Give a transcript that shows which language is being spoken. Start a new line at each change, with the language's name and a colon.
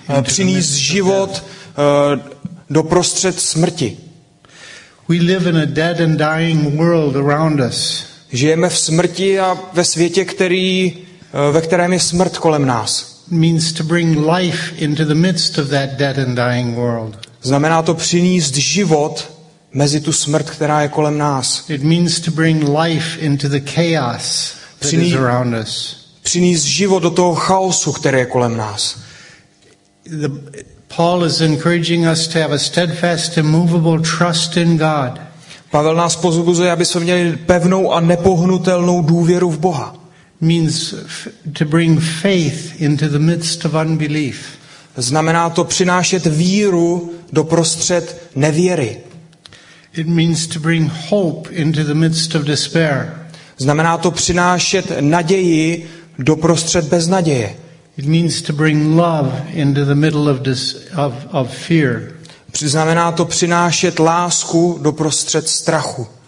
Czech: Přinést život do prostřed smrti.
English: We live in a dead and dying world around us.
Czech: Žijeme v smrti a ve světě, který ve kterém je smrt kolem nás.
English: Means to bring life into the midst of that dead and dying world.
Czech: Znamená to přinést život mezi tu smrt, která je kolem nás.
English: It means to bring life into the chaos that is around us.
Czech: Přinést život do toho chaosu, který je kolem nás.
English: Paul is encouraging us to have a steadfast and immovable trust in God.
Czech: Pavel nás pozbuzuje, aby jsme měli pevnou a nepohnutelnou důvěru v Boha.
English: Means to bring faith into the midst of unbelief.
Czech: Znamená to přinášet víru do prostřed nevěry.
English: It means to bring hope into the midst of despair.
Czech: Znamená to přinášet naději do prostřed beznaděje.
English: It means to bring love into the middle of this of fear.
Czech: Znamená to přinášet lásku do prostřed strachu.